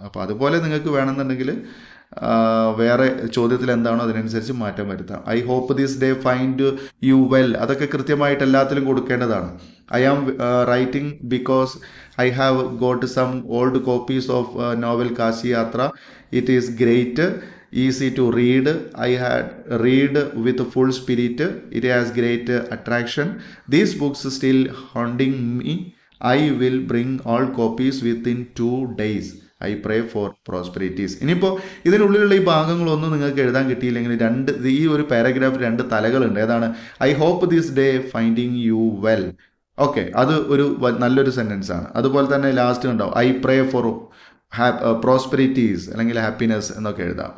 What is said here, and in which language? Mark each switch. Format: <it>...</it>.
<ml>അപ്പോൾ അതുപോലെ നിങ്ങൾക്ക് വേണമെന്നുണ്ടെങ്കിൽ വേറെ ചോദ്യത്തിൽ എന്താണോ അതിനനുസരിച്ച് മാറ്റം വരുത്താം.</ml> <en>I hope this day find you well,</en> <ml>അതൊക്കെ കൃത്യമായിട്ട് എല്ലാത്തിലും കൊടുക്കേണ്ടതാണ്.</ml> <en>I am writing because I have got some old copies of novel Kashiyathra. It is great, easy to read. I had read with a full spirit. It has great attraction. These books are still haunting me. I will bring all copies within 2 days. I pray for prosperities.</en> <ml>ഇനിയിപ്പോ ഇതിനുള്ളിലുള്ള ഈ ഭാഗങ്ങളൊന്നും നിങ്ങൾക്ക് എഴുതാൻ കിട്ടിയില്ലെങ്കിൽ രണ്ട് ഈ ഒരു paragraph രണ്ട് തലകളുണ്ട്. ഏതാണ്?</ml> <en>I hope this day finding you well.</en> <ml>Okay, അത് ഒരു നല്ലൊരു സെന്റൻസ് ആണ്. അതുപോലെ തന്നെ ലാസ്റ്റ് ഉണ്ടാവും,</ml> <en>I pray for prosperities</en> <ml>അല്ലെങ്കിൽ ഹാപ്പിനെസ് എന്നൊക്കെ എഴുതാം.</ml>